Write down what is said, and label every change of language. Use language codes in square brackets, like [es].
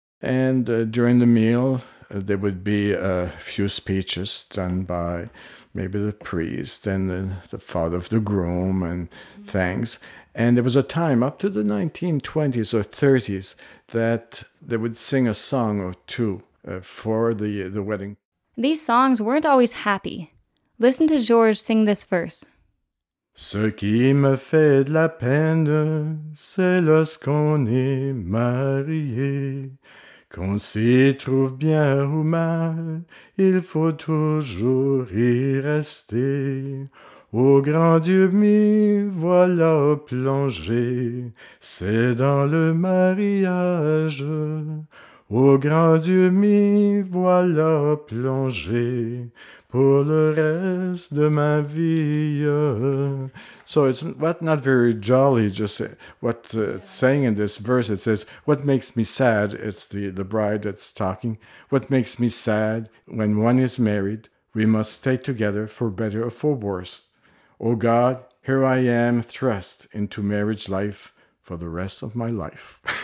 [en] And during the meal, there would be a few speeches done by maybe the priest and the father of the groom and thanks. And there was a time up to the 1920s or 30s that they would sing a song or two for the wedding. These songs weren't always happy. Listen to Georges sing this verse. [fr] Ce qui me fait de la peine, c'est lorsqu'on est marié. Qu'on s'y trouve bien ou mal, il faut toujours y rester. Au grand Dieu, m'y voilà plongé, c'est dans le mariage. Au grand Dieu, m'y voilà plongé, pour le reste de ma vie. [en] So it's not very jolly, just what it's saying in this verse. It says, what makes me sad, it's the bride that's talking. What makes me sad, when one is married, we must stay together for better or for worse. Oh God, here I am thrust into marriage life for the rest of my life.